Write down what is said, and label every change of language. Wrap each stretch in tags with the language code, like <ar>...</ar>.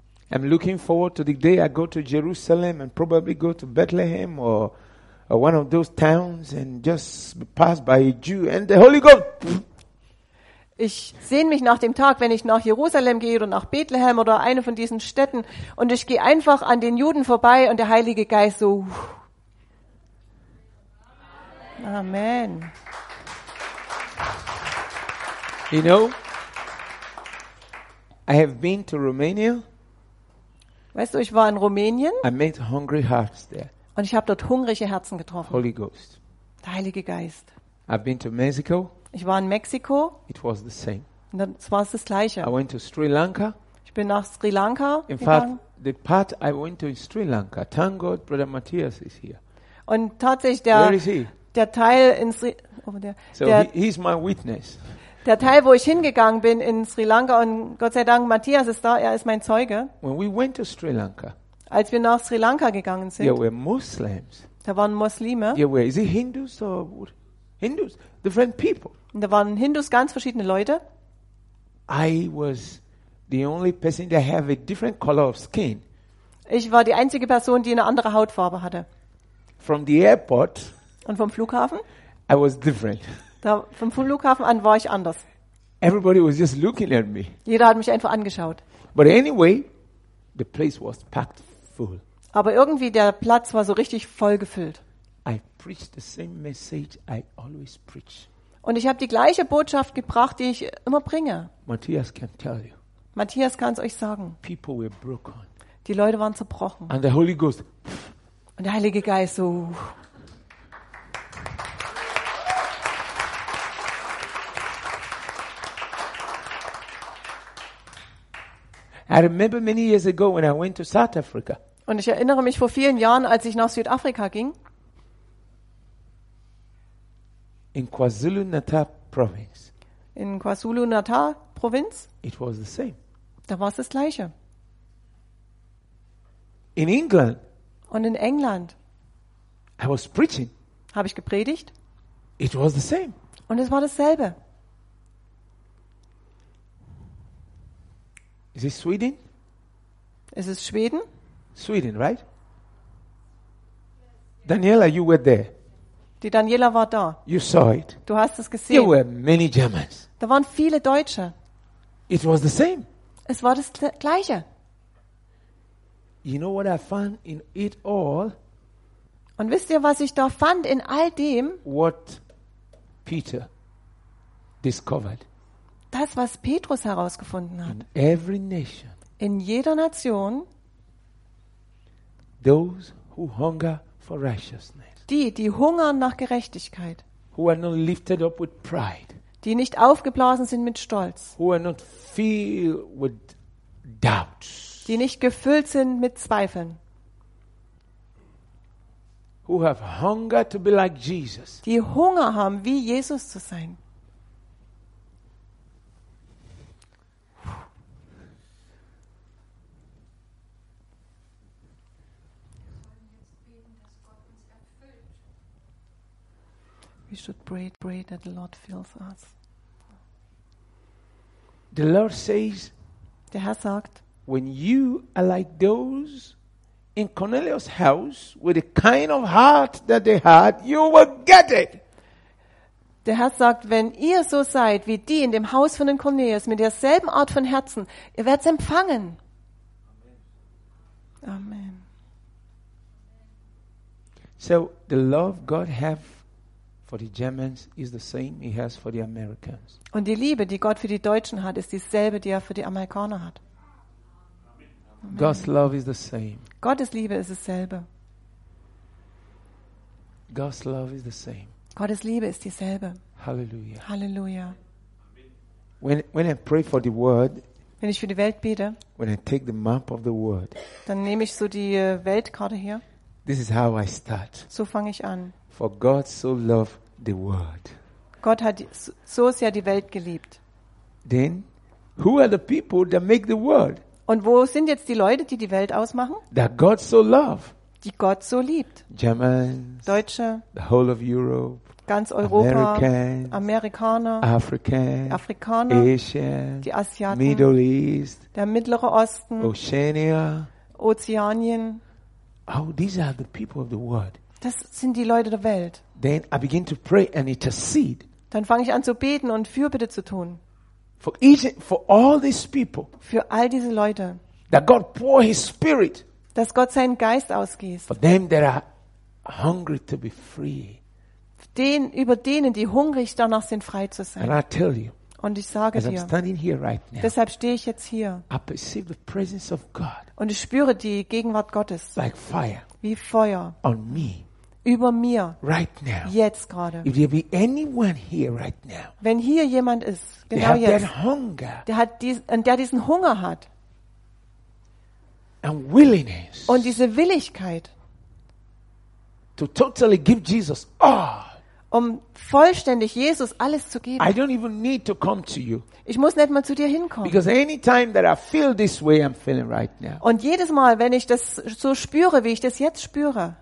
<en>I'm looking forward to the day I go to Jerusalem and probably go to Bethlehem or one of those towns and just pass by a Jew and the Holy Ghost.</en> <de>Ich sehne mich nach dem Tag, wenn ich nach Jerusalem gehe oder nach Bethlehem oder eine von diesen Städten und ich gehe einfach an den Juden vorbei und der Heilige Geist so.</de> <en>Amen. You know, I have been to Romania.</en> <de>Weißt du, ich war in Rumänien.</de> <en>I met hungry hearts there.</en> <de>Und ich habe dort hungrige Herzen getroffen.</de> <en>Holy Ghost.</en> <de>Der Heilige Geist.</de> <en>I've been to Mexico.</en> <de>Ich war in Mexiko.</de> <en>It was the same.</en> <de>Und dann war es das Gleiche.</de> <en>I went to Sri Lanka.</en> <de>Ich bin nach Sri Lanka in gegangen.</de> <en>In fact, the part I went to in Sri Lanka, thank God, Brother Matthias is here.</en> <de>Und tatsächlich der,</de> <en>where is he?</en> <de>Der Teil in Sri, oh, der, so der,</de> <en>he's my witness.</en> <de>Der Teil, wo ich hingegangen bin in Sri Lanka, und Gott sei Dank, Matthias ist da, er ist mein Zeuge.</de> <en>When we went to Sri Lanka,</en> <de>als wir nach Sri Lanka gegangen sind,</de> <en>there were Muslims.</en> <de>Da waren Muslime.</de> <en>There were, is it Hindus or what? Hindus, different people.</en> <de>Und da waren Hindus, ganz verschiedene Leute.</de> <en>I was the only person that have a different color of skin.</en> <de>Ich war die einzige Person, die eine andere Hautfarbe hatte.</de> <en>From the airport.</en> <de>Und vom Flughafen.</de> <en>I was different.</en> <de>Da, vom Flughafen an war ich anders.</de> <en>Everybody was just looking at me.</en> <de>Jeder hat mich einfach angeschaut.</de> <en>But anyway, the place was packed full.</en> <de>Aber irgendwie der Platz war so richtig voll gefüllt.</de> <en>I preached the same message I always preach.</en> <de>Und ich habe die gleiche Botschaft gebracht, die ich immer bringe.</de> <en>Matthias can tell you.</en> <de>Matthias kann es euch sagen.</de> <en>People were broken.</en> <de>Die Leute waren zerbrochen.</de> <en>And the Holy Ghost.</en> <de>Und der Heilige Geist so.</de> <en>I remember many years ago when I went to South Africa.</en> <de>Und ich erinnere mich vor vielen Jahren, als ich nach Südafrika ging.</de> <en>In KwaZulu-Natal Province.</en> <de>In KwaZulu-Natal Provinz.</de> <en>It was the same.</en> <de>Da war es das Gleiche.</de> <en>In England.</en> <de>Und in England.</de> <en>I was preaching.</en> <de>Habe ich gepredigt.</de> <en>It was the same.</en> <de>Und es war dasselbe.</de> <en>Is it Sweden?</en> <de>Ist es Schweden?</de> <en>Sweden, right? Daniela, you were there.</en> <de>Die Daniela war da.</de> <en>You saw it.</en> <de>Du hast es gesehen.</de> <en>There were many Germans.</en> <de>Da waren viele Deutsche.</de> <en>It was the same.</en> <de>Es war das Gleiche.</de> <en>You know what I found in it all?</en> <de>Und wisst ihr, was ich da fand in all dem?</de> <en>What Peter discovered.</en> <de>Das, was Petrus herausgefunden hat.</de> <en>In every nation.</en> <de>In jeder Nation.</de> <en>Those who hunger for righteousness.</en> <de>Die, die hungern nach Gerechtigkeit.</de> <en>Who are not lifted up with pride.</en> <de>Die nicht aufgeblasen sind mit Stolz.</de> <en>Who are not filled with doubts.</en> <de>Die nicht gefüllt sind mit Zweifeln.</de> <en>Who have hunger to be like Jesus.</en> <de>Die Hunger haben, wie Jesus zu sein.</de> <en>We should pray that the Lord fills us. The Lord says,</en> <de>der Herr sagt,</de> <en>when you are like those in Cornelius' house with the kind of heart that they had, you will get it.</en> <de>Der Herr sagt, wenn ihr so seid wie die in dem Haus von den Cornelius mit derselben Art von Herzen, ihr werdet es empfangen.</de> <en>Amen. So the love God have for the Germans is the same he has for the Americans.</en> <de>Und die Liebe, die Gott für die Deutschen hat, ist dieselbe, die er für die Amerikaner hat.</de> <en>Amen. God's love is the same.</en> <de>Gottes Liebe ist dasselbe.</de> <en>God's love is the same.</en> <de>Gottes Liebe ist dieselbe. Halleluja. Halleluja.</de> <en>When I pray for the word,</en> <de>wenn ich für die Welt bete,</de> <en>when I take the map of the word,</en> <de>dann nehme ich so die Weltkarte hier.</de> <en>This is how I start.</en> <de>So fange ich an.</de> <en>For God so loved the world.</en> <de>Gott hat so sehr die Welt geliebt.</de> <en>Then, who are the people that make the world?</en> <de>Und wo sind jetzt die Leute, die Welt ausmachen?</de> <en>That God so loved.</en> <de>Die Gott so liebt.</de> <en>Germans,</en> <de>Deutsche,</de> <en>the whole of Europe,</en> <de>ganz Europa,</de> <en>Americans,</en> <de>Amerikaner,</de> <en>Africans,</en> <de>Afrikaner,</de> <en>Asians,</en> <de>die Asiaten,</de> <en>Middle East,</en> <de>der Mittlere Osten,</de> <en>Oceania,</en> <de>Ozeanien.</de> <en>Oh, these are the people of the world.</en> <de>Das sind die Leute der Welt.</de> <en>Then I begin to pray and intercede.</en> <de>Dann fange ich an zu beten und Fürbitte zu tun.</de> <en>For all these people.</en> <de>Für all diese Leute.</de> <en>That God pour His Spirit.</en> <de>Dass Gott seinen Geist ausgießt.</de> <en>For them that are hungry to be free.</en> <de>Über denen, die hungrig danach sind, frei zu sein.</de> <en>And I tell you,</en> <de>und ich sage</de> <en>as I'm standing here right now,</en> <de>deshalb stehe ich jetzt hier.</de> <en>I perceive the presence of God.</en> <de>Und ich spüre die Gegenwart Gottes.</de> <en>Like fire.</en> <de>Wie Feuer.</de> <en>On me.</en> <de>Über mir.</de> <en>Right now.</en> <de>Jetzt gerade.</de> <en>If there be anyone here right now.</en> <de>Wenn hier jemand ist, genau jetzt.</de> <en>That hunger.</en> <de>Der diesen Hunger hat.</de> <en>And willingness.</en> <de>Und diese Willigkeit.</de> <en>To totally give Jesus all.</en> <de>Um vollständig Jesus alles zu geben.</de> <en>I don't even need to come to you.</en> <de>Ich muss nicht mal zu dir hinkommen.</de> <en>Because any time that I feel this way, I'm feeling right now.</en> <de>Und jedes Mal, wenn ich das so spüre, wie ich das jetzt spüre.</de>